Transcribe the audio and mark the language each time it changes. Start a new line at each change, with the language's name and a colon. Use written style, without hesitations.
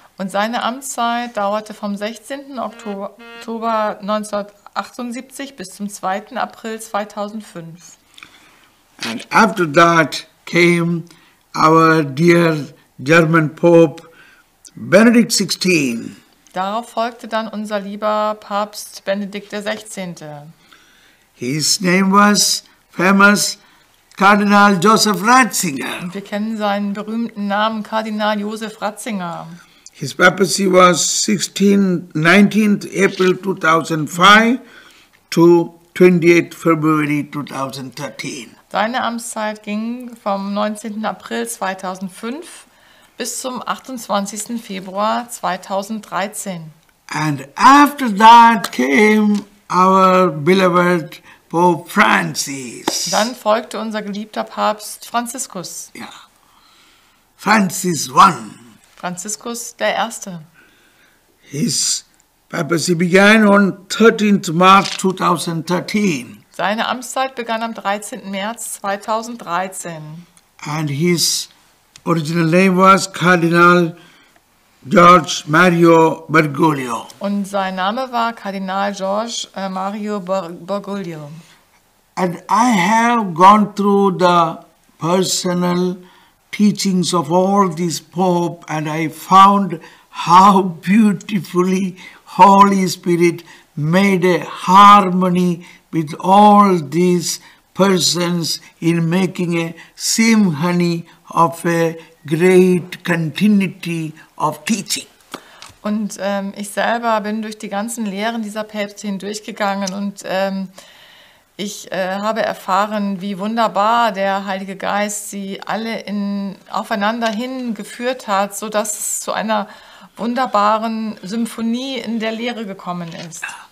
German: Und seine Amtszeit dauerte vom 16. Oktober 1978 bis zum 2. April 2005.
English: And after that came our dear German Pope Benedict XVI.
German: Darauf folgte dann unser lieber Papst Benedikt der 16.
English: His name was famous Cardinal Joseph Ratzinger.
German: Und wir kennen seinen berühmten Namen Kardinal Josef Ratzinger.
English: His papacy was 19th April 2005 to 28th February 2013.
German: Seine Amtszeit ging vom 19. April 2005 bis zum 28. Februar 2013.
English: And after that came our beloved Pope Francis.
German: Dann folgte unser geliebter Papst Franziskus.
English: Ja. Francis I.
German: Franziskus der Erste.
English: His papacy began on 13th March 2013.
German: Seine Amtszeit begann am 13. März 2013.
English: And his original name was Cardinal George Mario Bergoglio.
German: Und sein Name war Kardinal George Mario Bergoglio.
English: And I have gone through the personal teachings of all these Pope and I found how beautifully Holy Spirit made a harmony with all these persons in making a symphony of a great continuity of teaching.
German: Und ich selber bin durch die ganzen Lehren dieser Päpste hindurchgegangen und ich habe erfahren, wie wunderbar der Heilige Geist sie alle aufeinander hingeführt hat, sodass es zu einer wunderbaren Symphonie in der Lehre gekommen ist.